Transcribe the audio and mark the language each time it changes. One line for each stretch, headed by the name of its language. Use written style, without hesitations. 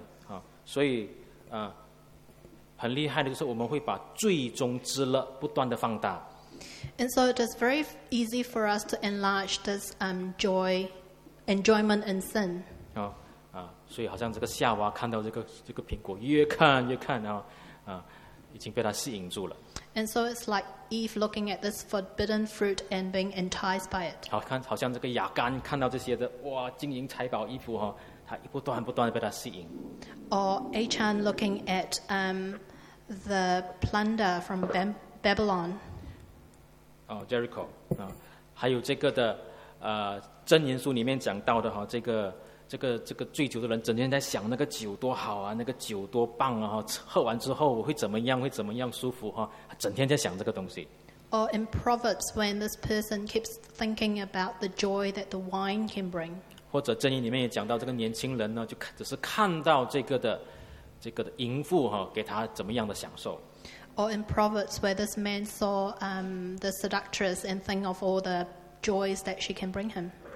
English: Yeah,
Chinese: 所以很厉害的就是我们会把最终之乐不断的放大。
English: And so it is very easy for us to enlarge this enjoyment in sin.
Chinese: 所以好像这个夏娃看到这个苹果越看然后已经被它吸引住了。
English: And so it's like Eve looking at this forbidden fruit and being enticed by it.
Chinese: 好像这个亚干看到这些的哇金银财宝衣服哈，他一不断不断的被它吸引。
English: Or Achan looking at the plunder from Babylon. Jericho.
Chinese: 还有这个的箴言书里面讲到的哈，这个醉酒的人整天在想那个酒多好啊，那个酒多棒啊，喝完之后会怎么样，会怎么样舒服啊，整天在想这个东西。
English: Or in Proverbs, when this person keeps thinking about the joy that the wine can bring.
Chinese: 或者箴言里面也讲到这个年轻人呢，就只是看到这个的淫妇啊，给他怎么样的享受。
English: Or in Proverbs, where this man saw the seductress and think of all the joys that she can bring him.